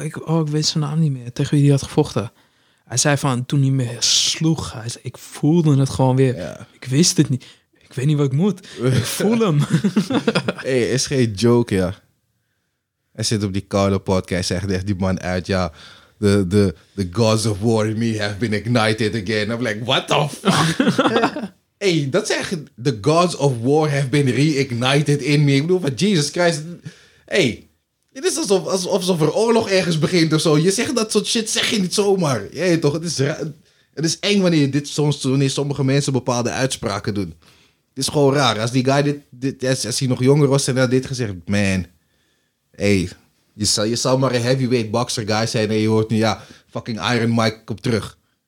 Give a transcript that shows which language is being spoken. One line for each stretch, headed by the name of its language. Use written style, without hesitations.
Dutch: Ik weet zijn naam niet meer. Tegen wie hij had gevochten. Hij zei van, toen hij me sloeg. Hij zei, ik voelde het gewoon weer. Ja. Ik wist het niet. Ik weet niet wat ik moet. Ik voel hem. Hey, is geen joke, ja. Hij zit op die koude podcast. Zegt echt die man uit, ja.
English: The gods of war in me have been ignited again. I'm like, what the fuck?
Dutch: Hey, dat zegt
English: the gods of war have been reignited in me.
Dutch: Ik bedoel, van Jesus Christ. Hey. Het is alsof er oorlog ergens begint of zo. Je zegt dat soort shit, zeg je niet zomaar. Jeetje toch, het is eng wanneer sommige mensen bepaalde uitspraken doen. Het is gewoon raar. Als die guy als hij nog jonger was en had dit gezegd. Man, hey, je zou maar een heavyweight boxer guy zijn en je hoort nu, ja, fucking Iron Mike, kom terug.